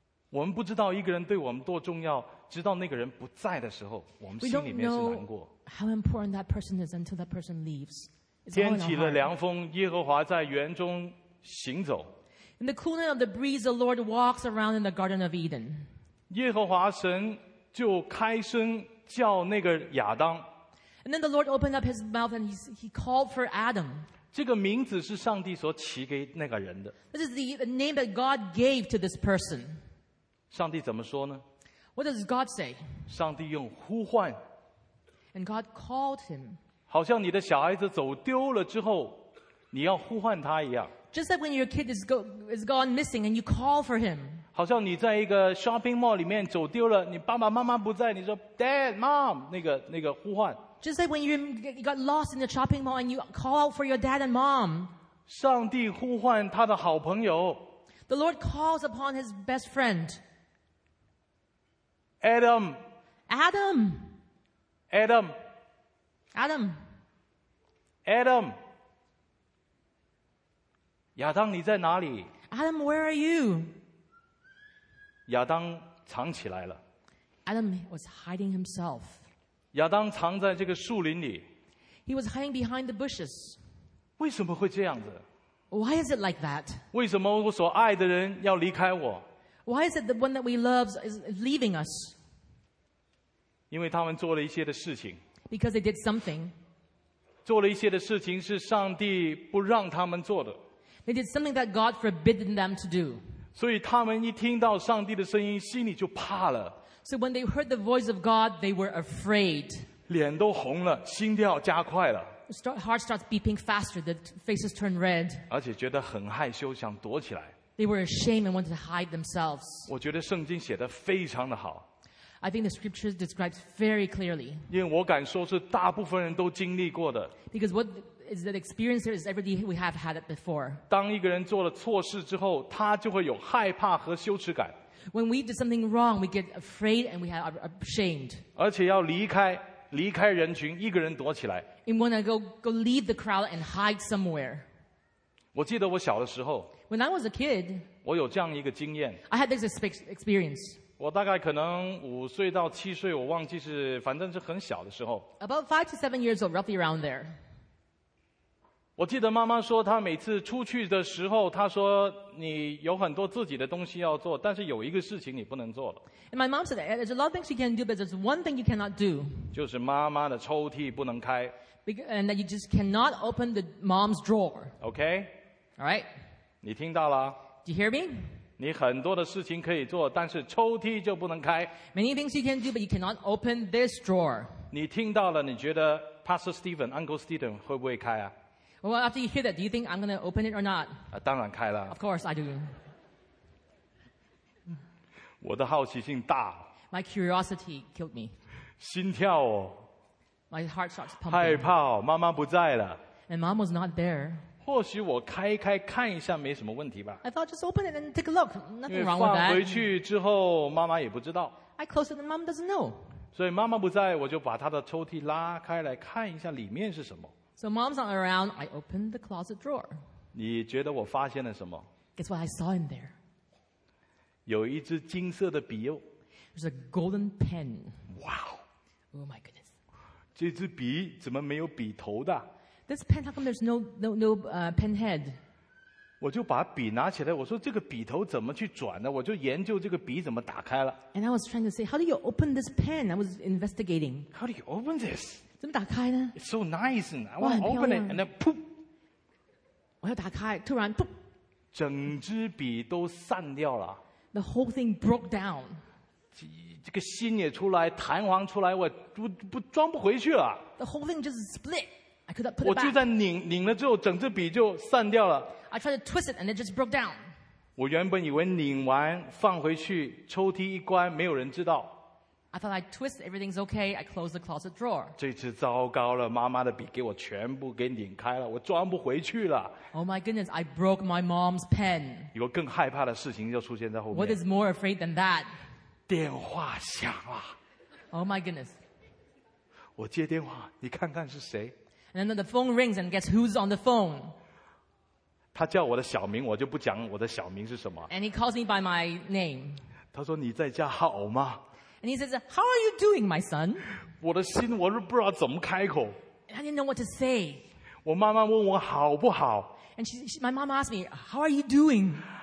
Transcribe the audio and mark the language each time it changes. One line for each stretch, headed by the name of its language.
Chinese: 我们不知道一个人对我们多重要直到那个人不在的时候我们心里面是难过
English: We don't know how important that person is until that person leaves.
Chinese: 天起了凉风，耶和华在园中行走。
English: In the cooling of the breeze, the Lord walks around in the Garden of Eden.
Chinese: 耶和华神就开声叫那个亚当。
English: And then the Lord opened up his mouth and he called for Adam.
Chinese: 这个名字是上帝所起给那个人的。
English: This is the name that God gave to this person.
Chinese: 上帝怎么说呢
English: ？What does God say?
Chinese: 上帝用呼唤。
English: And God called him.
Chinese: 好像你的小孩子走丢了之后，你要呼唤他一样。
English: Just like when your kid is gone missing and you call for him.
Chinese: 好像你在一个
English: shopping mall
Chinese: 里面走丢了，你爸爸妈妈不在，你说
English: Dad, Mom,
Chinese: 那个呼唤。
English: Just like when you got lost in the shopping mall and you call out for your dad and mom.
Chinese: 上帝呼唤他的好朋友。
English: The Lord calls upon his best friend. Adam. Adam. Adam. Adam. Adam.
Chinese: 亚当你在哪里
English: Adam, where are you?
Chinese: 亚当藏起来了。
English: Adam was hiding himself.
Chinese: 亚当藏在这个树林里。
English: He was hiding behind the bushes.
Chinese: 为什么会这样子？
English: Why is it like that?
Chinese: 为什么我所爱的人要离开我？
English: Why is it the one that we love is leaving us?
Chinese: 因为他们做了一些的事情。
English: Because they did something.
Chinese: 做了一些的事情是上帝不让他们做的。
English: They did something that God forbidden them to do.
Chinese: 所以他们一听到上帝的声音，心里就怕了。
English: So when they heard the voice of God, they were afraid.
Chinese: 脸都红了，心跳加快了。
English: Heart starts beeping faster. The faces turn red.
Chinese: 而且觉得很害羞，想躲起来。
English: They were ashamed and wanted to hide themselves.
Chinese: 我觉得圣经写得非常的好。
English: I think the scriptures describes very clearly.
Chinese: 因为我敢说是大部分人都经历过的。
English: Because what is that experience is everybody we have had it before.
Chinese: 当一个人做了错事之后，他就会有害怕和羞耻感。
English: When we do something wrong, we get afraid and we are ashamed.
Chinese: 而且要离开人群，一个人躲起来。
English: And want to go leave the crowd and hide somewhere.
Chinese: 我记得我小的时候。
English: When I was a kid,
Chinese: 我有这样一个经验。
English: I had this experience.
Chinese: 我大概可能五岁到七岁，我忘记是，反正是很小的时候。
English: About 5 to 7 years old, roughly around there.
Chinese: 我记得妈妈说，她每次出去的时候，她说。你有很多自己的东西要做，但是有一个事情你不能做了。
English: And my mom said there's a lot of things you can do, but there's one thing you cannot do.
Chinese: 就是妈妈的抽屉不能开。
English: And that you just cannot open the mom's drawer. Okay. All right.
Chinese: 你听到了。
English: Do you hear me?
Chinese: 你很多的事情可以做，但是抽屉就不能开。
English: Many things you can do, but you cannot open this drawer.
Chinese: 你听到了，你觉得 Pastor Stephen, Uncle Stephen 会不会开啊？
English: Well, after you hear that, do you think I'm going to open it or not?
Chinese: 当然开了。
English: Of course, I do.
Chinese: 我的好奇心大。
English: My curiosity killed me.
Chinese: 心跳哦。
English: My heart starts pumping.
Chinese: 害怕哦，妈妈不在了。
English: And mom was not there.
Chinese: 或许我开一开看一下没什么问题吧。
English: I thought just open it and take a look. Nothing wrong with that.
Chinese: 放回去之后，妈妈也不知道。
English: I closed it and mom doesn't know.
Chinese: 所以妈妈不在，我就把她的抽屉拉开来看一下里面是什么。
English: So mom's not around, I opened the closet drawer.
Chinese: 你觉得我发现了什么？
English: Guess what I saw in there?
Chinese: 有一支金色的笔哦。
English: There's a golden pen. Wow. Oh my goodness.
Chinese: 这支笔怎么没有笔头的？
English: This pen, how come there's no pen head?
Chinese: 我就把笔拿起来，我说这个笔头怎么去转呢？我就研究这个笔怎么打开了。
English: And I was trying to say, how do you open this pen? I was investigating. How do you open this?
Chinese: 怎么打开呢？
English: It's so nice. I want to open it and then poof.
Chinese: 我要打开，突然 poof. 整支笔都散掉了。
English: The whole thing broke down.
Chinese: 这个芯也出来，弹簧出来，我装不回去了。
English: The whole thing just split. I could not put it back.
Chinese: 我就在拧了之后，整支笔就散掉了。
English: I tried to twist it and it just broke down.
Chinese: 我原本以为拧完放回去，抽屉一关，没有人知道。
English: I thought I twist, everything's okay. I close the closet drawer.
Chinese: 这次糟糕了，妈妈的笔给我全部给拧开了，我装不回去了。
English: Oh my goodness, I broke my mom's pen.
Chinese: 有更害怕的事情就出现在后面。
English: What is more afraid than that?
Chinese: 电话响啊。
English: Oh my goodness.
Chinese: 我接电话，你看看是谁。
English: And then the phone rings and guess who's on the phone?
Chinese: 他叫我的小名，我就不讲我的小名是什么。
English: And he calls me by my name.
Chinese: 他说你在家好吗？
English: And he says, "How are you doing, my son?"
Chinese: 我的心我都不知道怎么开口。
English: I didn't know what to say.
Chinese: 我妈妈问我好不好。
English: And my mom asked me, "How are you doing?"